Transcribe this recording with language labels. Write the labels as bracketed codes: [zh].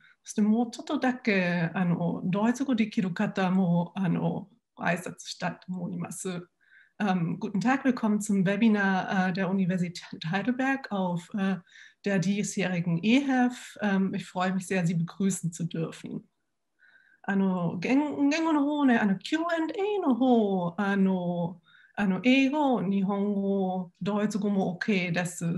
[ja] そしてもうちょっとだけドイツ語できる方も挨拶したいと思います。 [de] Guten Tag, willkommen zum Webinar der Universität Heidelberg auf der diesjährigen EHF. Ich freue mich sehr, Sie begrüßen zu dürfen. [ja] 言語の方ね、Q&A の方、英語、日本語、ドイツ語も OK です。